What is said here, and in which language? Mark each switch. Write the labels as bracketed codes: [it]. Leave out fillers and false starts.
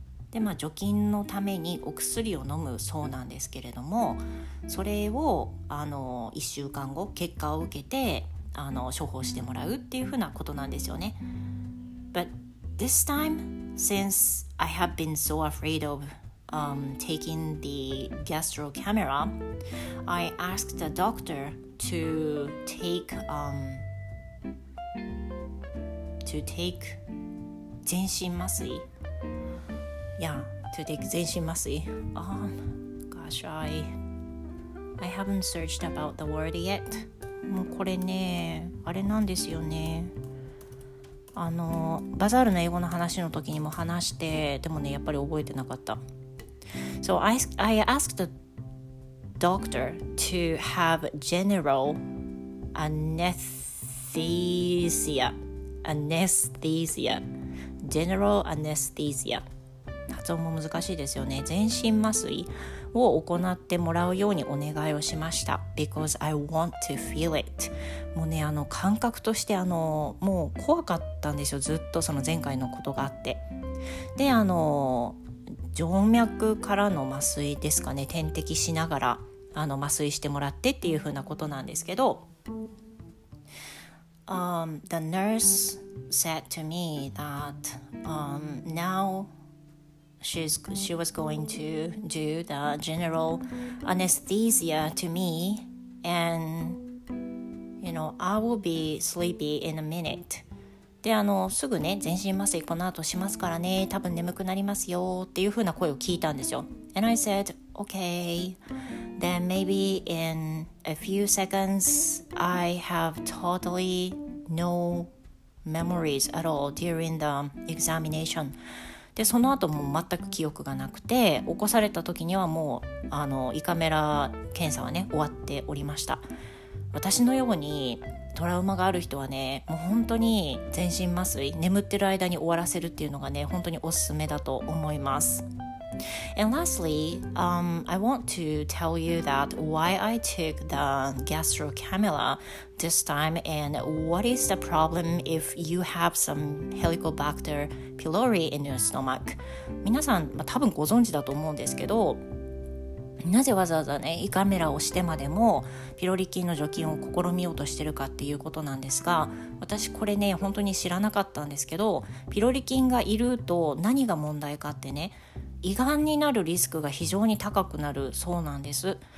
[ja] で、まあ除菌のためにお薬を飲むそうなんですけれども、それを1週間後、結果を受けて処方してもらうっていうふうなことなんですよね。 [en] But this time, since I have been so afraid oftaking the gastro camera, I asked the doctor to take 全身麻酔。 Yeah, to take 全身麻酔。Gosh, I haven't searched about the word yet。 [ja] もうこれね、あれなんですよね、バザールの英語の話の時にも話して、でもね、やっぱり覚えてなかった。 [en] So I asked the doctor to have general anesthesia. General anesthesia. [ja] 発音も難しいですよね、全身麻酔を行ってもらうようにお願いをしました。 [en] Because I want to feel it。 [ja] もうね、感覚としてもう怖かったんですよ、ずっとその前回のことがあって。で、静脈からの麻酔ですかね、点滴しながら麻酔してもらってっていう風なことなんですけど、 [en] The nurse said to me that now she was going to do the general anesthesia to me, and you know I will be sleepy in a minute。 [ja] で、すぐね、全身麻酔この後しますからね、多分眠くなりますよっていう風な声を聞いたんですよ。 [en] And I said, okay, then maybe in a few seconds I have totally no memories at all during the examination。 [ja] で、その後も全く記憶がなくて、起こされた時にはもう胃カメラ検査はね、終わっておりました。私のようにトラウマがある人はね、もう本当に全身麻酔、眠ってる間に終わらせるっていうのがね、本当におすすめだと思います。 [en] And lastly, I want to tell you that why I took the gastrocamilla this time and what is the problem if you have some Helicobacter pylori in your stomach. [ja] 皆さん、多分ご存知だと思うんですけど、なぜわざわざね、胃カメラをしてまでもピロリ菌の除菌を試みようとしてるかっていうことなんですが、私これね、本当に知らなかったんですけど、ピロリ菌がいると何が問題かってね、胃がんになるリスクが非常に高くなるそうなんです。